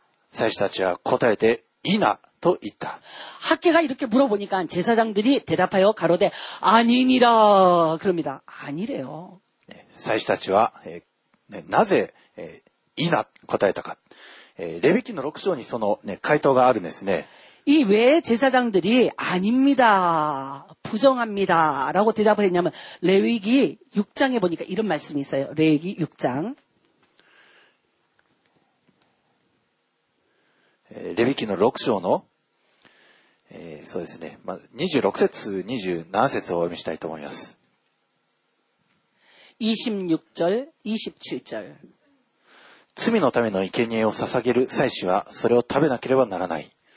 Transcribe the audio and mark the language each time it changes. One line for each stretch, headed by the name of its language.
Japanese: 祭司たちは答えて、いいなと言った。
Korean: 학계가이렇게물어보니까제사장들이대답하여가로되아니니라그럽니다아니래요。
Japanese: 祭司たちは、なぜ、いいな答えたか。レビ記の6章にその、ね、回答があるんですね。
Korean: 이왜제사장들이아닙니다부정합니다라고대답을했냐면레위기6장에보니까이런말씀이있어요레위기6장
Japanese: 레위기の6章の、そうですね、ま、26節27節をお読みしたいと思います
Korean: 26절27절
Japanese: 罪のための生贄を捧げる祭司はそれを食べなければならない。